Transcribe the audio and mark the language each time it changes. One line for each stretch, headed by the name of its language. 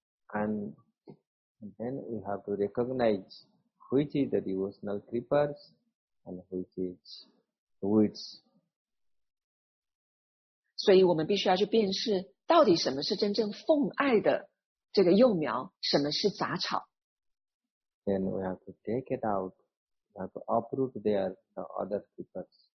English: And then we have to recognize which is the devotional creepers and which is the weeds.
Chinese: 所以我们必须要去辨识到底什么是真正奉爱的这个幼苗，什么是杂草。
English: Then we have to take it out, we have to uproot their the other creepers.